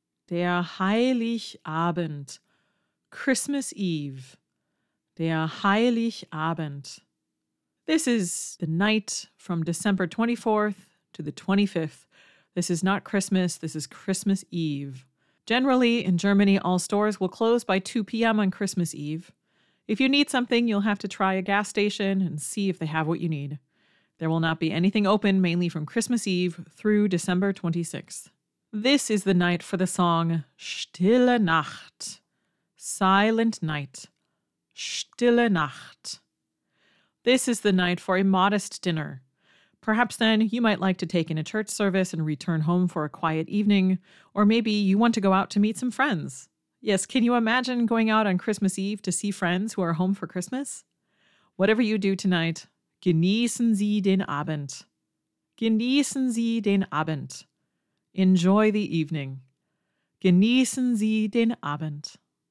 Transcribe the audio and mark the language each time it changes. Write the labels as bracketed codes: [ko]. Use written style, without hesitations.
[de] Der Heiligabend, [en] Christmas Eve, [de] der Heiligabend. [en] This is the night from December 24th to the 25th. This is not Christmas, this is Christmas Eve. Generally, in Germany, all stores will close by 2 p.m. on Christmas Eve. If you need something, you'll have to try a gas station and see if they have what you need. There will not be anything open mainly from Christmas Eve through December 26th. This is the night for the song Stille Nacht. Silent Night. Stille Nacht. This is the night for a modest dinner. Perhaps then you might like to take in a church service and return home for a quiet evening, or maybe you want to go out to meet some friends. Yes, can you imagine going out on Christmas Eve to see friends who are home for Christmas? Whatever you do tonight, [de] genießen Sie den Abend. Genießen Sie den Abend. [en] Enjoy the evening. [de] Genießen Sie den Abend.